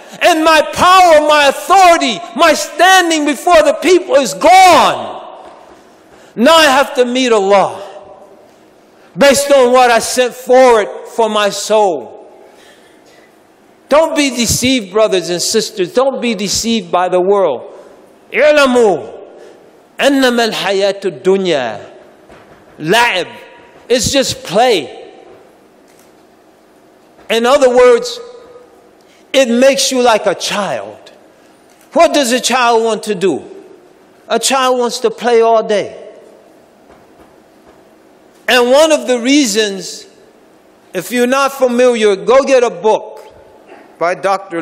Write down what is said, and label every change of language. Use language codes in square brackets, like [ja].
[en] And my power, my authority, my standing before the people is gone. Now I have to meet Allah based on what I sent forward for my soul. Don't be deceived, brothers and sisters. Don't be deceived by the world. [ar] اعلموا أنما الحياة الدنيا لعب. [en] It's just play. In other words, it makes you like a child. What does a child want to do? A child wants to play all day. And one of the reasons, if you're not familiar, go get a book by Dr.